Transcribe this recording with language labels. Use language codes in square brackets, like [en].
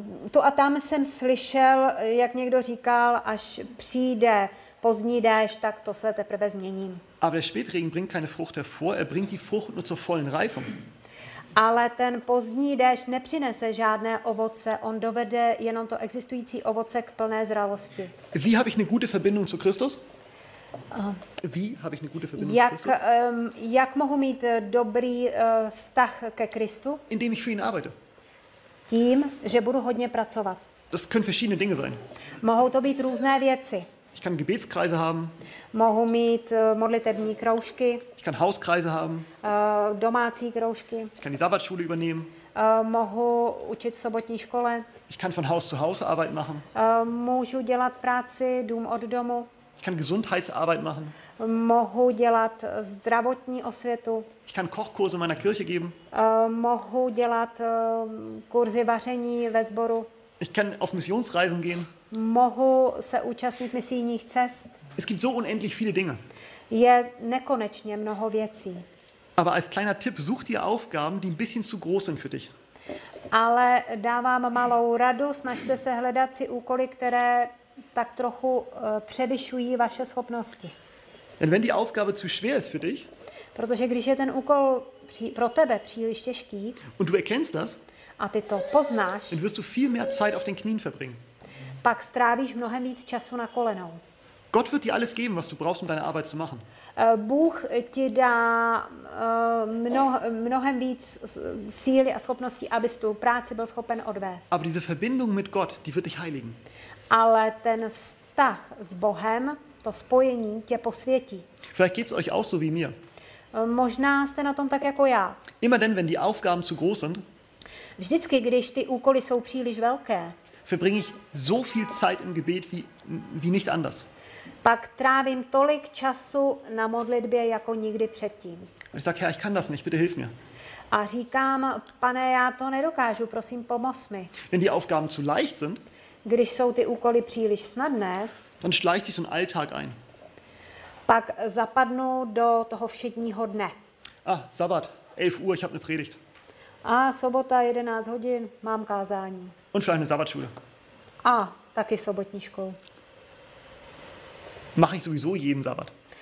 [cs] To a tam jsem slyšel, jak někdo říkal, až přijde pozdní déšť, tak to se teprve změním. [de] Aber der Spätregen bringt keine Frucht hervor, er bringt die Frucht nur zur vollen Reifung. [cs] Ale ten pozdní déšť nepřinese žádné ovoce, on dovede jenom to existující ovoce k plné zralosti. [de] Wie habe ich eine gute Verbindung zu Christus? Wie habe ich eine gute Verbindung zu Christus? [cs] Jak mohu mít dobrý vztah ke Kristu? [de] Indem ich für ihn arbeite. [cs] Tím, že budu hodně pracovat. [de] Das können verschiedene Dinge sein. [cs] Mohou to být různé věci. [de] Ich kann Gebetskreise haben. [cs] Mohu mít modlitební kroužky. [de] Ich kann Hauskreise haben. [cs] Domácí kroužky. [de] Ich kann die Sabbatschule übernehmen. [cs] Mohu učit v sobotní škole. [de] Ich kann von Haus zu Haus Arbeit machen. [cs] Můžu dělat práci dům od domu. [de] Ich kann Gesundheitsarbeit machen. [cs] Mohu dělat zdravotní osvětu. [de] Ich kann Kochkurse in meiner Kirche geben. [cs] Mohu dělat kurzy vaření ve sboru. [de] Ich kann auf Missionsreisen gehen. [cs] Mohu se účastnit misijních cest. [de] Es gibt so unendlich viele Dinge. [cs] Je nekonečně mnoho věcí. [de] Aber als kleiner Tipp, such dir Aufgaben, die ein bisschen zu groß sind für dich. [cs] Ale dávám malou radu, snažte se hledat si úkoly, které tak trochu převyšují vaše schopnosti. [de] Denn wenn die Aufgabe zu schwer ist für dich, [cs] protože když je ten úkol pro tebe příliš těžký, [de] und du erkennst das, [cs] a ty to poznáš, [de] dann wirst du viel mehr Zeit auf den Knien verbringen. [cs] Pak strávíš mnohem víc času na kolenou. [de] Gott wird dir alles geben, was du brauchst, um deine Arbeit zu machen. [cs] Bůh ti dá mnohem víc síly a schopností, abys tu práci byl schopen odvést. [de] Aber diese Verbindung mit Gott, die wird dich heiligen. [cs] Ale ten vztah s Bohem, to spojení tě posvětí. [de] Vielleicht geht's euch auch so wie mir. [cs] Možná jste na tom tak jako já. [de] Immer denn, wenn die Aufgaben zu groß sind. [cs] Vždycky, když ty úkoly jsou příliš velké. [de] Verbringe ich so viel Zeit im Gebet wie nicht anders. [cs] Pak trávím tolik času na modlitbě jako nikdy předtím. A říkám, [de] Herr, ich kann das nicht, bitte hilf mir. [cs] A říkám, Pane, já to nedokážu, prosím, pomoz mi. [de] Wenn die Aufgaben zu leicht sind, [cs] když jsou ty úkoly příliš snadné, [de] dann schleicht sich so ein Alltag ein. [cs] Pak zapadnu do toho všedního dne. [de] Ah, Sabbat, 11 Uhr, ich habe eine Predigt. [cs] A sobota, 11 hodin, mám kázání. [de] Und für eine Sabbatschule. [cs] A taky sobotní školu. [de] Mache ich sowieso jeden Sabbat.